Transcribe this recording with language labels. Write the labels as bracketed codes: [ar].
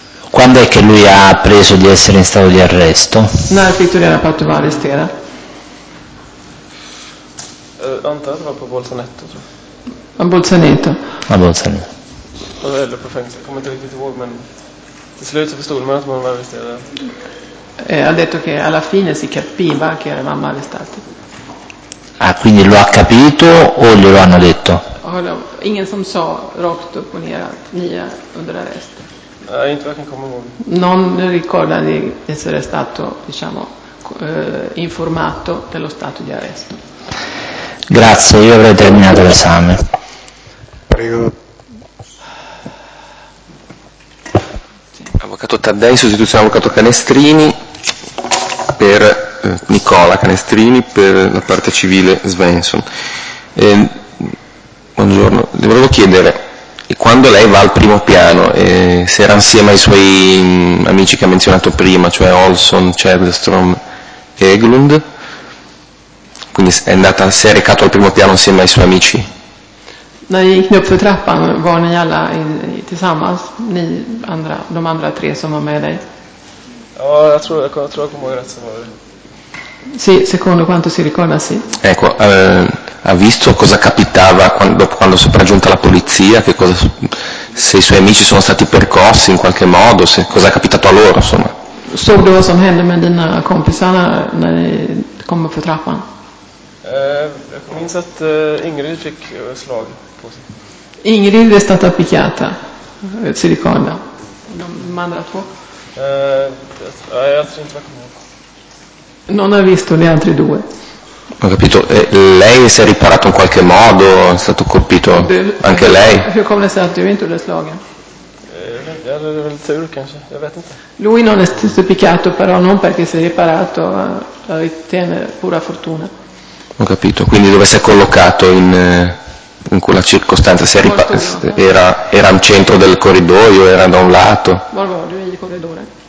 [it] Quando è che lui ha preso di essere in stato di arresto? [sv] När fick du reda på att du var arresterad? Antar att det var på Bolzanetto, tror jag. A Bolzanetto. Eller på fängelse, kommer inte riktigt ihåg, men till slut så förstod man att man var arresterad. [it] Ha detto che alla fine si capiva che eravamo arrestati. Ah, quindi lo ha capito o glielo hanno detto? [sv] Ingen som sa rakt upp och ner att ni är under arrest. Inte vad jag kan komma ihåg. [it] Non ricorda di essere stato, diciamo, informato dello stato di arresto. Grazie, io avrei terminato l'esame. Prego. Avvocato Taddei, sostituzione avvocato Canestrini per Nicola Canestrini per la parte civile Svensson. Buongiorno, le volevo chiedere, quando lei va al primo piano, se era insieme ai suoi amici che ha menzionato prima, cioè Olson, Cedstrom e Eglund? Quindi è andata, si è recato al primo piano insieme ai suoi amici? [sv] När jag gick upp för trappan var ni alla tillsammans, ni andra, de andra tre som var med dig. Ja, jag tror jag kommer ihåg rätt så var det. [it] Sì, secondo quanto si ricorda, sì. Ecco, ha visto cosa capitava quando sopraggiunta la polizia, che cosa, se i suoi amici sono stati percossi in qualche modo, se cosa è capitato a loro, insomma. [sv] Såg du vad som hände med dina kompisar när ni kom upp för trappan? Jag minns att Ingrid fick slag på sig. [it] Ingrid [sv] är [it] stata picchiata. Si ricorda. [sv] De andra två. Jag tror inte jag kommer ihåg. [it] Non ha visto gli altri due. Ho capito. Lei si è riparato in qualche modo? È stato colpito anche lei? [sv] Hur kom det sig att du inte blev slagen? Det är väl tur kanske, jag vet inte. [it] Lui non è stato picchiato, però non perché si è riparato, ritiene pura fortuna. Ho capito, quindi dove si è collocato in quella circostanza? Se era al centro del corridoio, era da un lato? Guarda, lui è il corridore.